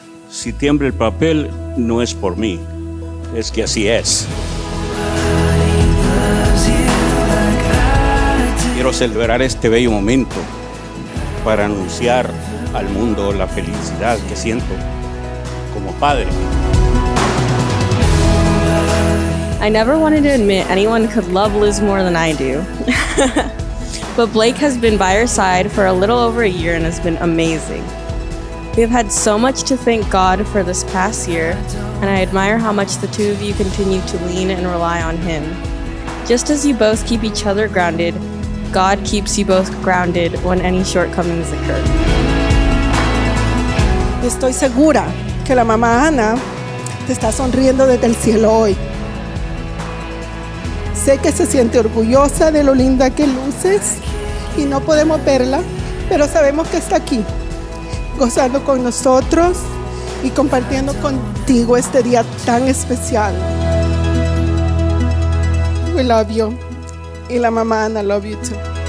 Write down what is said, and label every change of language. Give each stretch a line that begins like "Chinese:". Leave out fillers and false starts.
Spanish: Si tiembla el papel, no es por mí. Es que así es. Quiero celebrar este bello momento para anunciar al mundo la felicidad que siento como padre.
English: I never wanted to admit anyone could love Liz more than I do. But Blake has been by her side for a little over a year and has been amazing. We have had so much to thank God for this past year, and I admire how much the two of you continue to lean and rely on Him. Just as you both keep each other grounded, God keeps you both grounded when any shortcomings occur.
Spanish: Estoy segura que la mamá Ana te está sonriendo desde el cielo hoy. Sé que se siente orgullosa de lo linda que luces y no podemos verla, pero sabemos que está aquí, gozando con nosotros y compartiendo contigo este día tan especial.
English: We love you.
Spanish: Y la mamá
English: Ana love you too.